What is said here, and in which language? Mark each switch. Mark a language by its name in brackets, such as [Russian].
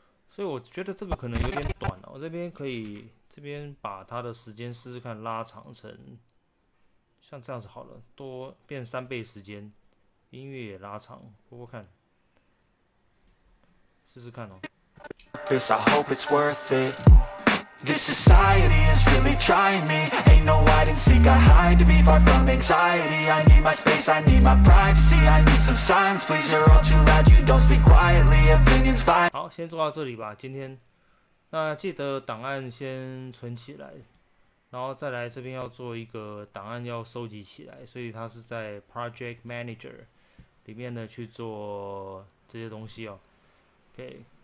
[Chinese] 所以我觉得这个可能有点短了，哦，我这边可以，这边把它的时间试试看拉长成，像这样子好了，多变3倍时间，音乐也拉长，播播看，试试看哦。 [English] This, I hope it's worth it. This society is really trying me. Ain't no hide and seek, I hide to be far from anxiety. I need my space, I need my privacy. I need some silence, please. You're all too loud, you don't speak quietly. Opinions fine. [Chinese] 好，先做到这里吧。今天，那记得档案先存起来，然后再来这边要做一个档案要收集起来，所以它是在 Project Manager 里面呢去做这些东西哦。 [English] OK。